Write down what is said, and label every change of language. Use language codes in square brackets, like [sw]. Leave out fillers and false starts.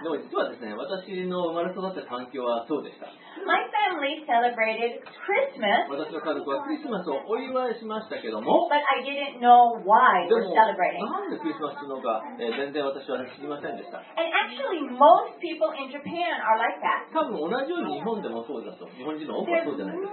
[ja] でも実はですね、私の生まれ育った環境はそうでした。 [en] My family celebrated Christmas. [ja] 私の家族はクリスマスをお祝いしましたけども。 [en] But I didn't know why we're celebrating. [ja] でもなんでクリスマスのか、全然私は知りませんでした。 [en] And actually, most people in Japan are like that. [ja] 多分同じように日本でもそうだと。日本人の多くはそうじゃないです